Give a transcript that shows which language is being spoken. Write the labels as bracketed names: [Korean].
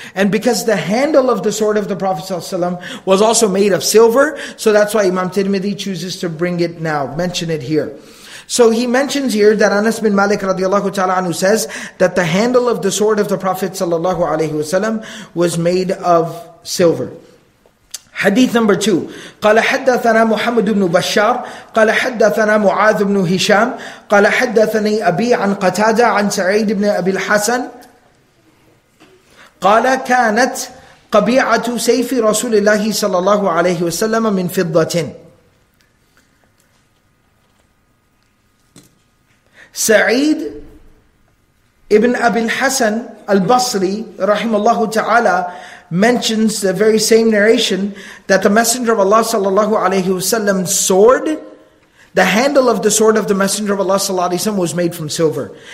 [English] And because the handle of the sword of the Prophet ﷺ was also made of silver, so that's why Imam Tirmidhi chooses to bring it now, mention it here. So he mentions here that Anas bin Malik radiallahu ta'ala anhu says that the handle of the sword of the Prophet ﷺ was made of silver. Hadith number two. [Arabic] قَالَ حَدَّثَنَا مُحَمَّدُ بْنُ بَشَّارِ قَالَ حَدَّثَنَا مُعَاذُ بْنُ هِشَامِ قَالَ حَدَّثَنِي أَبِي عَنْ قَتَادَ عَنْ سَعِيدِ بْنِ أَبِي الْحَسَنِ قال كانت قبيعة سيف رسول الله صلى الله عليه وسلم من فضة. [English] سعيد ابن أبي الحسن البصري [Arabic] رحمه الله تعالى [English] mentions the very same narration that the Messenger of Allah صلى الله عليه وسلم's sword, the handle of the sword of the Messenger of Allah صلى الله عليه وسلم was made from silver.